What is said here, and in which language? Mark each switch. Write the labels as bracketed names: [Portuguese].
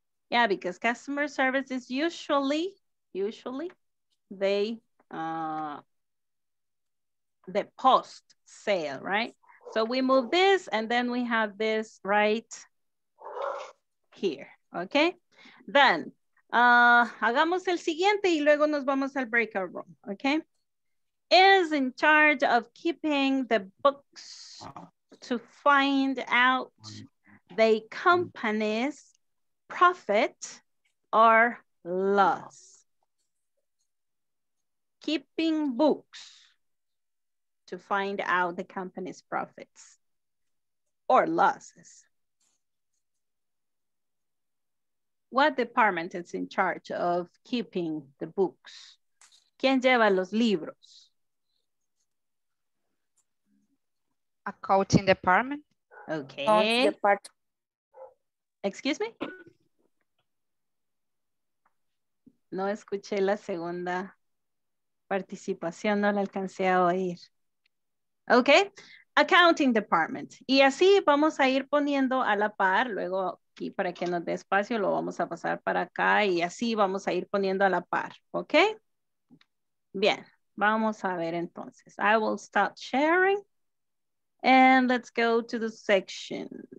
[English] Yeah, because customer service is usually they the post sale, right? So we move this, and then we have this right here. Okay, then. [Spanish] Hagamos el siguiente y luego nos vamos al breakout room, okay? [English] Is in charge of keeping the books to find out the company's profit or loss? Keeping books to find out the company's profits or losses. What department is in charge of keeping the books? [Spanish] ¿Quién lleva los libros? [English] Accounting department. Okay. Excuse me? [Spanish] No escuché la segunda participación, no la alcancé a oír. Okay, accounting department. Y así vamos a ir poniendo a la par, luego aquí para que nos dé espacio, lo vamos a pasar para acá y así vamos a ir poniendo a la par, okay? Bien, vamos a ver entonces. [English] I will stop sharing and let's go to the section.